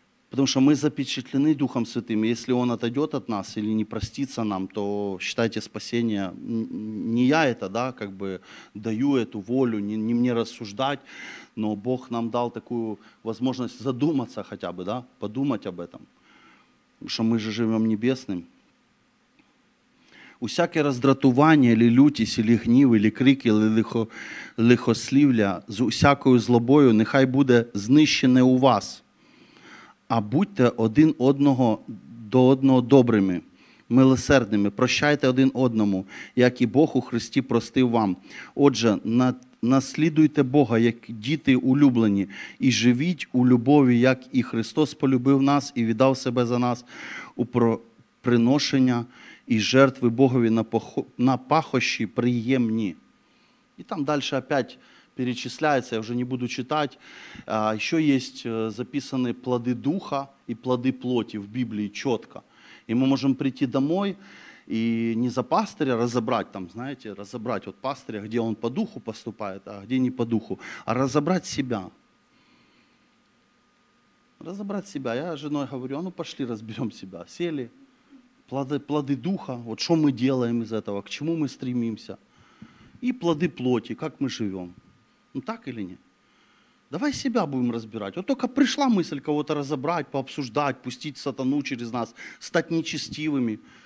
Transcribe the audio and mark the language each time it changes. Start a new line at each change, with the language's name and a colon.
Russian: Потому что мы запечатлены Духом Святым, если Он отойдет от нас или не простится нам, то считайте спасение, не я это, да, как бы даю эту волю, не мне рассуждать, но Бог нам дал такую возможность задуматься хотя бы, да, подумать об этом, что мы же живем небесным.
Ukrainian: Усяке раздратування, или лютість, или гнів, или крик, или лихослівля, з усякою злобою, нехай буде знищене у вас. А будьте один одного до одного добрими, милосердними, прощайте один одному, як і Бог у Христі простив вам. Отже, наслідуйте Бога, як діти улюблені, і живіть у любові, як і Христос полюбив нас і віддав себе за нас у приношення і жертви Богові на пахощі приємні. І там далі опять перечисляється, я вже не буду читати. Ще є записані плоди духа і плоди плоті в Біблії чітко. І ми можемо прийти домой і не за пастиря розібрати, там, знаєте, розібрати от пастиря, де він по духу поступає, а де не по духу, а розібрати себе. Розібрати себе. Я з жіною говорю, ну пішли, розберемо себе.
Russian: Сели. Плоды духа, вот что мы делаем из этого, к чему мы стремимся. И плоды плоти, как мы живем. Ну так или нет? Давай себя будем разбирать. Вот только пришла мысль кого-то разобрать, пообсуждать, пустить сатану через нас, стать нечестивыми.